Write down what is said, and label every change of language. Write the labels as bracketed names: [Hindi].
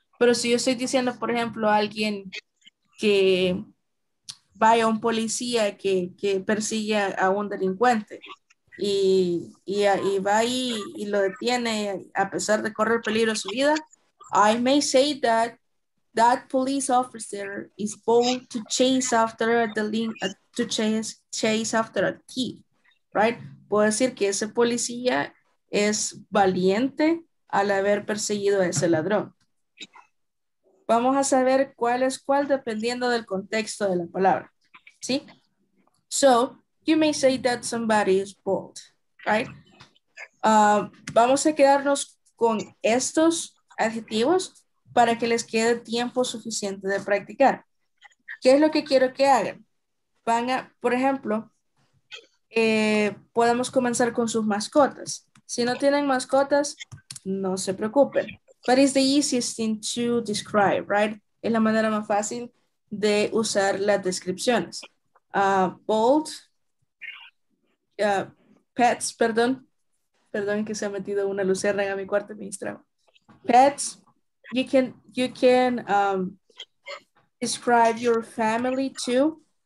[Spanish] Pero si yo estoy diciendo, por ejemplo, a alguien que vaya a un policía que persigue a un delincuente y va ahí y lo detiene a pesar de correr peligro su vida, [English] I may say that that police officer is bold to chase after a delinquent, to chase after a thief, right? [Spanish] Puedo decir que ese policía es valiente al haber perseguido a ese ladrón. Vamos a saber cuál es cuál dependiendo del contexto de la palabra, ¿sí? [English] So, you may say that somebody is bold, right? [Spanish] Vamos a quedarnos con estos adjetivos para que les quede tiempo suficiente de practicar. ¿Qué es lo que quiero que hagan? Van a, por ejemplo, podemos comenzar con sus mascotas. Si no tienen mascotas, no se preocupen. [English] But it's the easiest thing to describe, right? [Spanish] Es la manera más fácil de usar las descripciones. Bold. Pets, perdón. Perdón que se ha metido una luciérnaga en mi cuarto, ministro. [English] Pets. You can describe your family too.